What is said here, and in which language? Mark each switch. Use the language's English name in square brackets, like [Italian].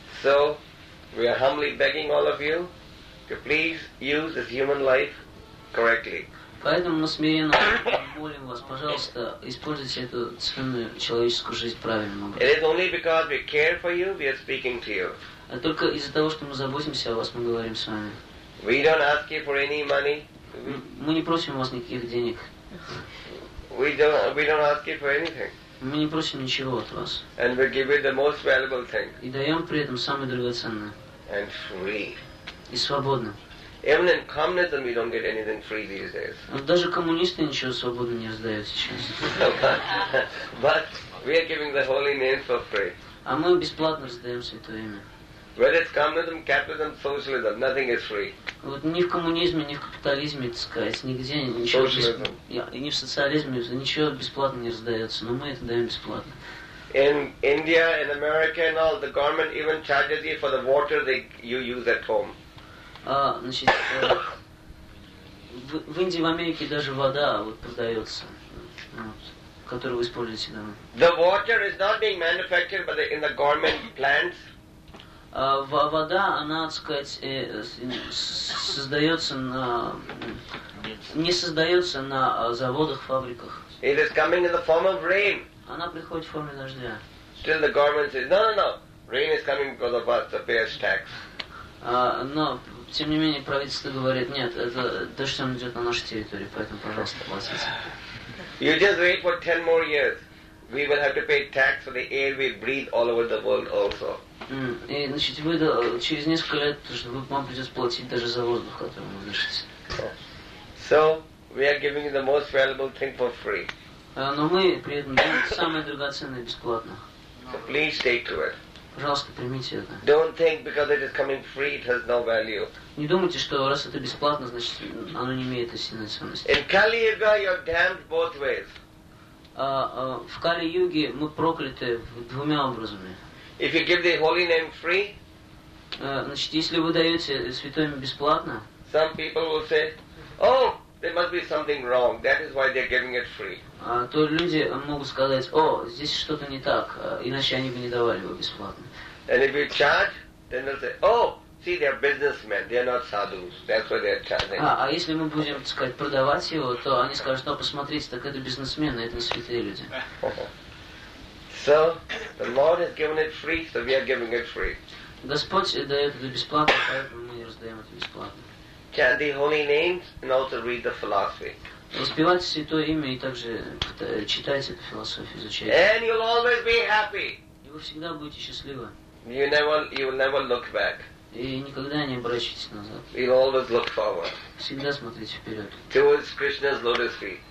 [English] So we are humbly begging all of you to please use this human life correctly. [Russian] Поэтому мы смиренно молим вас, пожалуйста, используйте эту ценную человеческую жизнь правильным образом. [English] It is only because we care for you, we are speaking to you. [Russian] А только из-за того, что мы заботимся о вас, мы говорим с вами. [English] We don't ask you for any money. [Russian] Мы не просим вас никаких денег. [English] We don't ask you for anything. [Russian] Мы не просим ничего от вас. [English] And we give you the most valuable thing. [Russian] И даем при этом самое драгоценное. [English] And free. [Russian] И свободно. [English] Even in communism we don't get anything free these days. [Russian] Вот даже коммунисты ничего свободно не раздают сейчас. [English] But we are giving the holy name for free. [Russian] А мы бесплатно раздаем святое имя. [English] Whether it's communism, capitalism, socialism, nothing is free. [Russian] Вот ни в коммунизме, ни в капитализме, так сказать, нигде ничего ни в социализме ничего бесплатно не раздается, но мы это даем бесплатно. [English] In India, in America, and all, the government even charges you for the water that you use at home. [Russian] Значит, в Индии, в Америке даже вода вот продается, которую вы используете дома. [English] The water is not being manufactured by the, in the garment plants. [Russian] Вода, она, так сказать, создается на... не создается на заводах, фабриках. [English] It is coming in the form of rain. [Russian] Она приходит в форме дождя. [English] Still the government says, no, rain is coming because of us, the payers' tax. [Russian] Но, тем не менее, правительство говорит, нет, это дождь, он идет на нашу территорию, поэтому, пожалуйста, платите. [English] You just wait for 10 more years. We will have to pay tax for the air we breathe all over the world also. [Russian] И, значит, вы через несколько лет, то, что вам придется платить даже за воздух, который вы дышите. [English] So, we are giving you the most valuable thing for free. [Russian] Но мы при этом даем самое драгоценное бесплатно. [English] So please take to it. [Russian] Пожалуйста, примите это. [English] Don't think because it is coming free, it has no value. [Russian] Не думайте, что раз это бесплатно, значит, оно не имеет сильной ценности. [English] In Kali-Yuga, you are damned both ways. [Russian] В Кали-Юге мы прокляты двумя образами. [English] If you give the holy name free, [Russian] значит, если вы даете святое имя бесплатно, [English] some people will say, oh, there must be something wrong. That is why they're giving it free. [Russian] То люди могут сказать, о, здесь что-то не так, иначе они бы не давали его бесплатно. [English] And if you charge, then they'll say, oh, see, they're businessmen. They're not sadhus. That's why they're charging. [Russian] А если мы будем, так сказать, продавать его, то они скажут, ну, посмотрите, так это бизнесмены, это не святые люди. [English] So, the Lord has given it free, so we are giving it free. [Russian] Господь дает это бесплатно, поэтому мы раздаем это бесплатно. [English] Chant the holy names and also read the philosophy. [Russian] Воспевайте святое имя и также читайте эту философию, изучайте. [English] And you'll always be happy. [Russian] И вы всегда будете счастливы. [English] You will never look back. [Russian] И никогда не обращайтесь назад. [English] You'll always look forward. [Russian] Всегда смотрите вперед. [English] Towards Krishna's lotus feet.